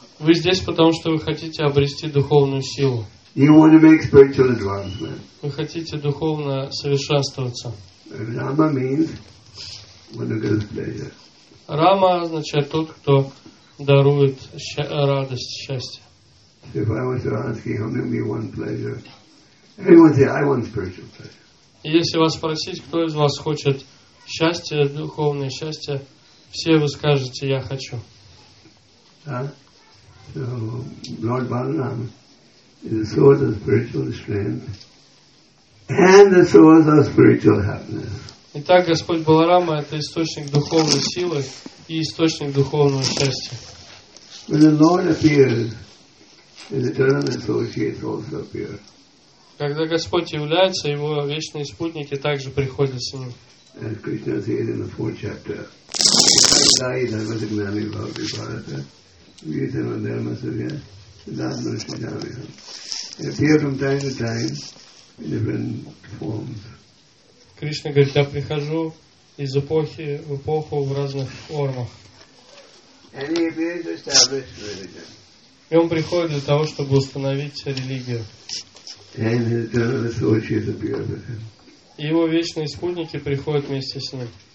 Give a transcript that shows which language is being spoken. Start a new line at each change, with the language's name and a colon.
Russian: Вы здесь, потому что вы хотите обрести духовную силу.
English: You want to make spiritual advancement.
Russian: Вы хотите духовно совершенствоваться.
English: Rama means one who gives pleasure.
Russian: Рама означает тот, кто дарует радость, счастье.
English: If I was to ask you, how many of you want pleasure? Everyone say, I want spiritual pleasure.
Russian: Если вас спросить, кто из вас хочет счастье, духовное счастье, все вы скажете, я хочу.
English: So, Lord Balaram is the source of spiritual strength and the source of spiritual happiness.
Russian: Итак, Господь Баларама – это источник духовной силы и источник духовного счастья.
English: When the Lord appears, His eternal associates also appear.
Russian: Когда Господь является, Его вечные спутники также приходят с Ним.
English: As Krishna says in the fourth chapter, if I die, then I was a gnani bhavati bharata, vyutama dharma surya, siddhātma shidhāvya. They appear from time to time in different forms.
Russian: Кришна говорит, я прихожу из эпохи в эпоху в разных формах. И он приходит для того, чтобы установить религию. И его вечные спутники приходят вместе с ним.